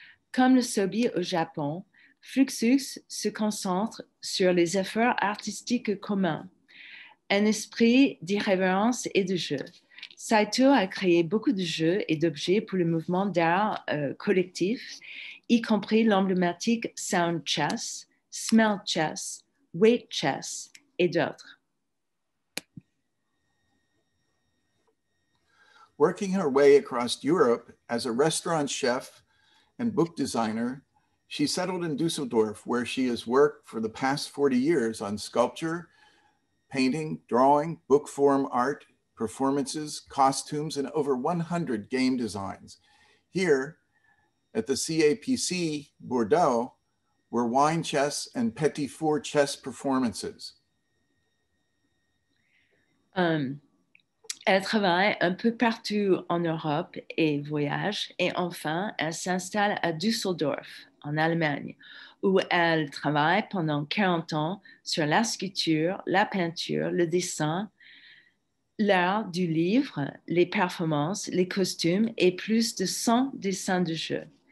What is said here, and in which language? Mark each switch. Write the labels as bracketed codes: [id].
[fr] Comme le Sobi au Japon, Fluxus se concentre sur les efforts artistiques communs, un esprit d'irrévérence et de jeu. Saito a créé beaucoup de jeux et d'objets pour le mouvement d'art collectif, y compris l'emblématique Sound Chess, Smell Chess, Weight Chess et d'autres. [en] Working her way across Europe as a restaurant chef and book designer, she settled in Düsseldorf, where she has worked for the past 40 years on sculpture, painting, drawing, book form art, performances, costumes, and over 100 game designs. Here, at the CAPC Bordeaux, were wine chess and petit four chess performances. [fr] Elle travaille un peu partout en Europe et voyage, et enfin, elle s'installe à Düsseldorf, en Allemagne, où elle travaille pendant 40 ans sur la sculpture, la peinture, le dessin, l'art du livre, les performances, les costumes et plus de 100 dessins de jeux.